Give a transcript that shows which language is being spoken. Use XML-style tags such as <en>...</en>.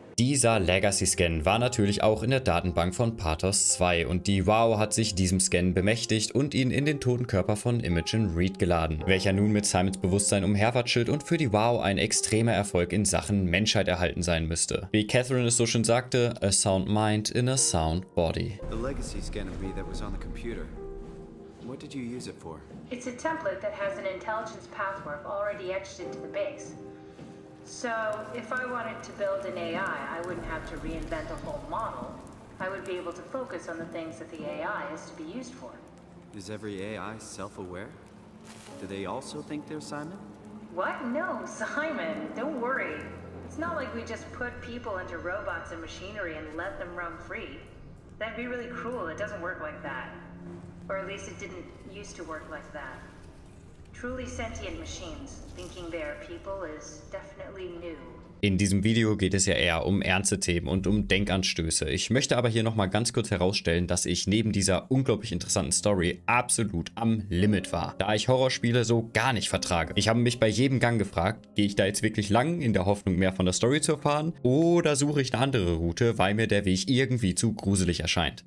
<de>Dieser Legacy-Scan war natürlich auch in der Datenbank von Pathos 2 und die WoW hat sich diesem Scan bemächtigt und ihn in den toten Körper von Imogen Reed geladen, welcher nun mit Simons Bewusstsein umherwatschelt und für die WoW ein extremer Erfolg in Sachen Menschheit erhalten sein müsste. Wie Catherine es so schön sagte,</de> <en>a sound mind in a sound body. The Legacy-Scan of me that was on the computer. What did you use it for? It's a template that has an intelligence pathwork already etched into the base. So, if I wanted to build an AI, I wouldn't have to reinvent a whole model. I would be able to focus on the things that the AI is to be used for. Is every AI self-aware? Do they also think they're Simon? What? No, Simon. Don't worry. It's not like we just put people into robots and machinery and let them roam free. That'd be really cruel. It doesn't work like that. Or at least it didn't used to work like that. Truly sentient machines, thinking they are people, is definitely new.</en> <de>In diesem Video geht es ja eher um ernste Themen und um Denkanstöße. Ich möchte aber hier nochmal ganz kurz herausstellen, dass ich neben dieser unglaublich interessanten Story absolut am Limit war, da ich Horrorspiele so gar nicht vertrage. Ich habe mich bei jedem Gang gefragt, gehe ich da jetzt wirklich lang, in der Hoffnung mehr von der Story zu erfahren, oder suche ich eine andere Route, weil mir der Weg irgendwie zu gruselig erscheint.</de>